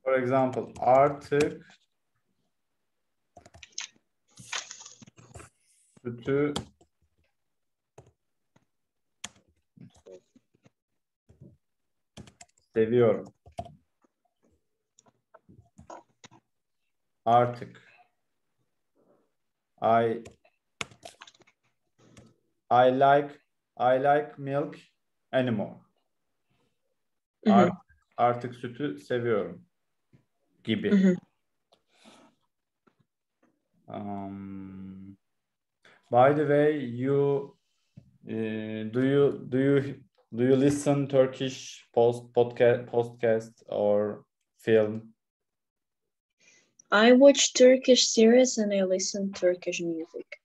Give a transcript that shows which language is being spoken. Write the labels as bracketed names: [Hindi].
[English] For example, [Turkish] artık sütü seviyorum. Artık [English] I like milk anymore. Mm-hmm. [Turkish] Artık sütü seviyorum gibi. Mm-hmm. [English] By the way, do you listen Turkish podcast or film? I watch Turkish series and I listen Turkish music.